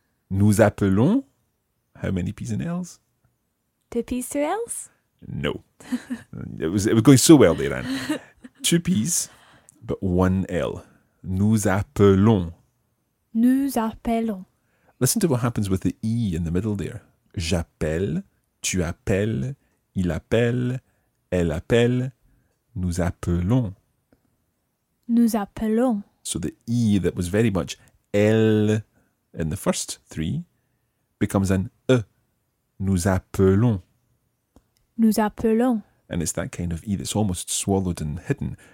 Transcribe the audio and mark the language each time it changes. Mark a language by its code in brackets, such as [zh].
[fr] Nous appelons. [en] How many P's and L's? Two P's, two L's? No. It was going so well there, Anne. Two P's, but one L. [fr] Nous appelons. Nous appelons. [en] Listen to what happens with the E in the middle there. [fr] J'appelle, tu appelles, il appelle, elle appelle, nous appelons. Nous appelons. [en] So the E that was very much L in the first three becomes an E. [fr] Nous appelons. Nous appelons. [en] And it's that kind of E that's almost swallowed and hidden.